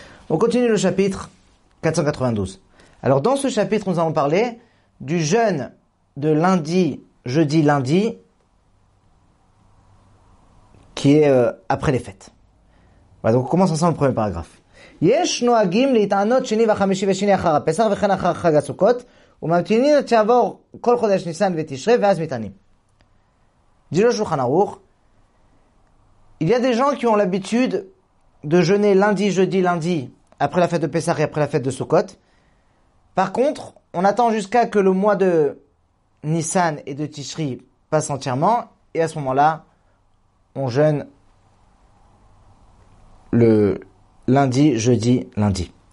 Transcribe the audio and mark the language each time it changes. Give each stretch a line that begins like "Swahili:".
French: On continue le chapitre 492. Alors dans ce chapitre, nous allons parler du jeûne de lundi, jeudi, lundi, qui est après les fêtes. Voilà, donc on commence ensemble le premier paragraphe.
Hebrew: יש נוהגים להתענות שני וחמישי ושני אחר הפסח וכן אחר חג הסוכות וממתינים לתעבור כל חודש ניסן ותשרי ואז מתענים.
French: Dit le Shulchan Aruch, il y a des gens qui ont l'habitude de jeûner lundi, jeudi, lundi après la fête de Pessah et après la fête de Sukkot. Par contre, on attend jusqu'à que le mois de Nissan et de Tishri passe entièrement et à ce moment-là, on jeûne le lundi, jeudi, lundi.